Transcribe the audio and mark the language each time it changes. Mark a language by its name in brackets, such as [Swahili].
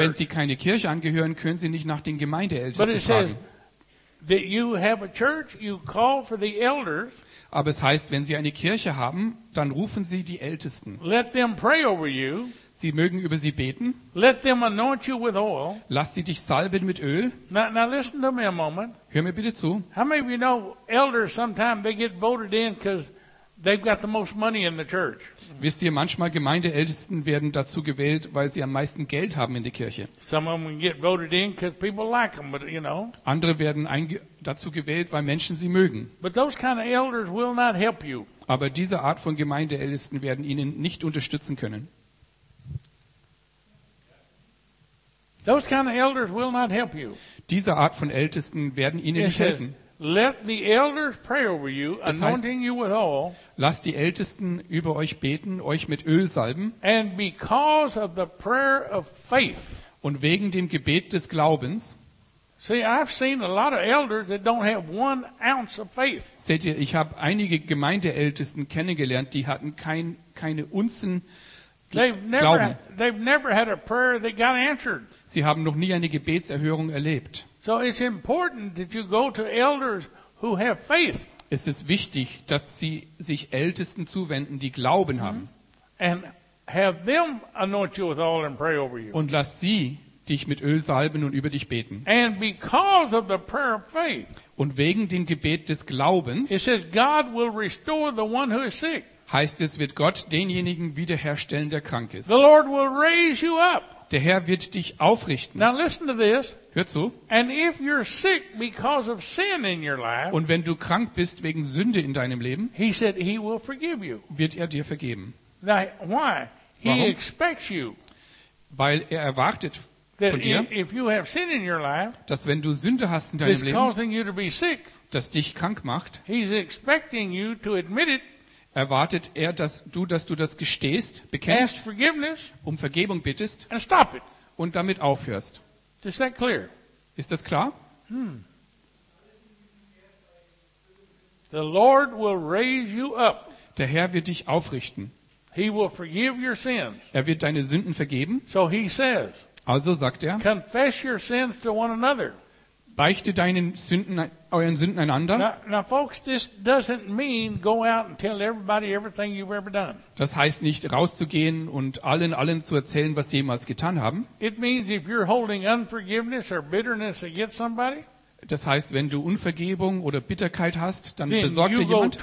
[German] Wenn Sie keine Kirche angehören, können Sie nicht nach den Gemeindeältesten fragen. [English] But it says that you have a church, you call for the elders. [German] Aber es heißt, wenn Sie eine Kirche haben, dann rufen Sie die Ältesten. [English] Let them pray over you. [German] Sie mögen über sie beten. [English] Let them anoint you with oil. [German] Lass sie dich salben mit Öl. [English] Now listen to me a moment. [German] Hör mir bitte zu. [English] How many of you know elders sometimes they get voted in because they've got the most money in the church? [German] Wisst ihr, manchmal Gemeindeältesten werden dazu gewählt, weil sie am meisten Geld haben in der Kirche. [English] Some of them get voted in because people like them, but you know. [German] Andere werden dazu gewählt, weil Menschen sie mögen. [English] But those kind of elders will not help you. [German] Aber diese Art von Gemeindeältesten werden ihnen nicht unterstützen können. [English] Those kind of elders will not help you. [German] Diese Art von Ältesten werden Ihnen nicht helfen. [English] Let the elders pray over you, anointing you with oil. [German] Lasst die Ältesten über euch beten, euch mit Öl salben. [English] And because of the prayer of faith. [German] Und wegen dem Gebet des Glaubens. [English] See, I've seen a lot of elders that don't have 1 ounce of faith. [German] Seht ihr, ich habe einige Gemeindeältesten kennengelernt, die hatten keine Unzen Glauben. [English] They've never had a prayer that got answered. [German] Sie haben noch nie eine Gebetserhörung erlebt. [English] So it's important that you go to elders who have faith. [German] Es ist wichtig, dass sie sich Ältesten zuwenden, die Glauben haben. [English] And have them anoint you with oil and pray over you. [German] Und lass sie dich mit Öl salben und über dich beten. [English] And because of the prayer of faith, [German] und wegen dem Gebet des Glaubens, [English] it says God will restore the one who is sick. [German] Heißt es, wird Gott denjenigen wiederherstellen, der krank ist. [English] The Lord will raise you up. [German] Der Herr wird dich aufrichten. [English] Now listen to this. [German] Hör zu. [English] And if you're sick because of sin in your life, [German] und wenn du krank bist wegen Sünde in deinem Leben, [English] he said he will forgive you. [German] Wird er dir vergeben. [English] Now, why? He [German] Warum? [English] Expects you. [German] Weil er erwartet von dir, [English] if you have sin in your life, [German] dass wenn du Sünde hast in deinem Leben, [English] you to be sick, [German] das dich krank macht, [English] he's expecting you to admit it, [German] erwartet er, dass du das gestehst, bekennst, [English] ask forgiveness, [German] um Vergebung bittest [English] and stop it. [German] Und damit aufhörst. [English] Is that clear? [German] Ist das klar? [English] The Lord will raise you up. [German] Der Herr wird dich aufrichten. [English] He will forgive your sins. [German] Er wird deine Sünden vergeben. [English] So he says, [German] also sagt er, [English] confess your sins to one another. [German] Beichte deinen Sünden, euren Sünden einander. [English] Now folks, this doesn't mean go out and tell everybody everything you've ever done. [German] Das heißt nicht rauszugehen und allen zu erzählen, was sie jemals getan haben. [English] It means if you're holding unforgiveness or bitterness against somebody, [German] das heißt, wenn du Unvergebung oder Bitterkeit hast, dann besorgt dir jemand.